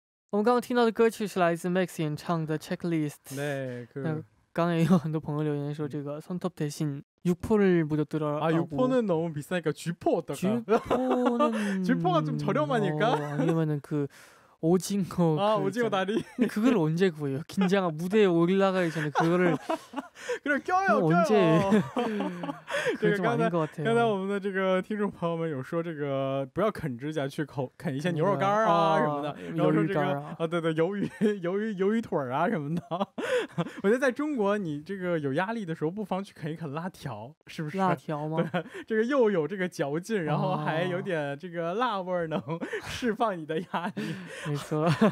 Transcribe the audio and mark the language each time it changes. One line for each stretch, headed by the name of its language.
Chinese: 我们刚刚听到的歌曲是来自Max演唱的 Checklist.
Korean: 네,
Chinese: 刚刚也有很多朋友留言说这个
Korean: 손톱 대신 육포를 무조건 들어. 아, 육포는 너무 비싸니까 쥐포 어떨까? 쥐포는 쥐포가 좀 저렴하니까. 아니면은 그 오징어. 아, 오징어 다리. 그걸 언제 구해요? 긴장아 무대에 올라가기 전에 그거를. 그럼 껴요, 언제? 껴요. 그게 좀 아닌 것 같아요.
Chinese: 刚才我们的这个听众朋友们有说这个不要啃指甲去啃一些牛肉干啊什么的，然后说这个鱿鱼腿啊什么的。我觉得在中国你这个有压力的时候，不妨去啃一啃辣条，是不是？辣条吗？对，这个又有这个嚼劲，然后还有点这个辣味能释放你的压力。没错。